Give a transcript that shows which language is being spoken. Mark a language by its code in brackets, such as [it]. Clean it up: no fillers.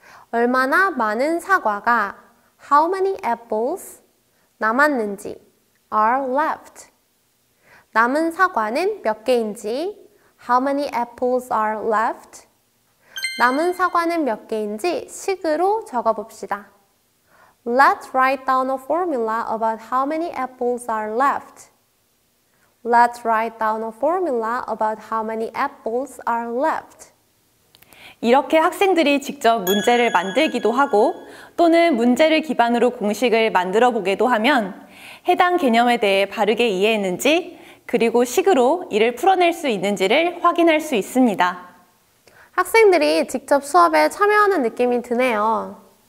[ko] 얼마나 많은 사과가 [en] how many apples [ko] 남았는지 [en] are left. [ko] 남은 사과는 몇 개인지 [en] how many apples are left. [ko] 남은 사과는 몇 개인지 식으로 적어봅시다. [en] Let's write down a formula about how many apples are left. Let's write down a formula about how many apples are left. [ko] 이렇게 학생들이 직접 문제를 만들기도 하고 또는 문제를 기반으로 공식을 만들어 보기도 하면 해당 개념에 대해 바르게 이해했는지 그리고 식으로 이를 풀어낼 수 있는지를 확인할 수 있습니다. 학생들이 직접 수업에 참여하는 느낌이 드네요.